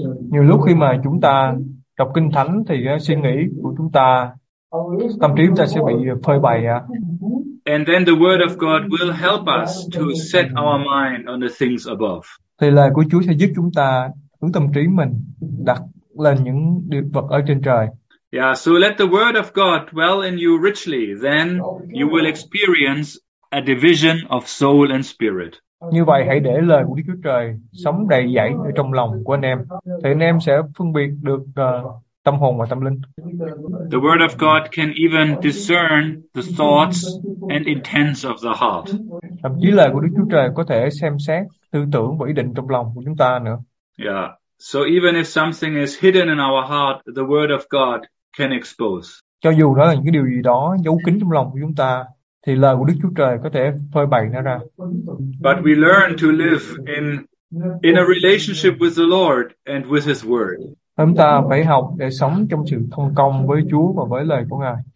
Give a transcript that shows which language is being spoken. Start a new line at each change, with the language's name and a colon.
Vietnamese: Nhiều lúc khi mà chúng ta đọc kinh thánh thì suy nghĩ của chúng ta, tâm trí chúng ta sẽ bị phơi bày.
English: And then the word of God will help us to set our mind on the things above.
Vietnamese: Thì lời của Chúa sẽ giúp chúng ta hướng tâm trí mình đặt lên những điều vật ở trên trời.
English: Yeah, so let the word of God dwell in you richly, then you will experience a division of soul and spirit.
Vietnamese: Như vậy hãy để lời của Đức Chúa Trời sống đầy dẫy ở trong lòng của anh em, thì anh em sẽ phân biệt được tâm hồn và tâm linh.
English: The word of God can even discern the thoughts and intents of the heart.
Vietnamese: Thậm chí lời của Đức Chúa Trời có thể xem xét tư tưởng và ý định trong lòng của chúng ta nữa.
English: Yeah. So even if something is hidden in our heart, the word of God can expose.
Vietnamese: Cho dù đó là những cái điều gì đó giấu kín trong lòng của chúng ta, thì lời của Đức Chúa Trời có thể phơi bày nó ra.
English: But we learn to live in a relationship with the Lord and with his word.
Vietnamese: Chúng ta phải học để sống trong sự thông công với Chúa và với lời của Ngài.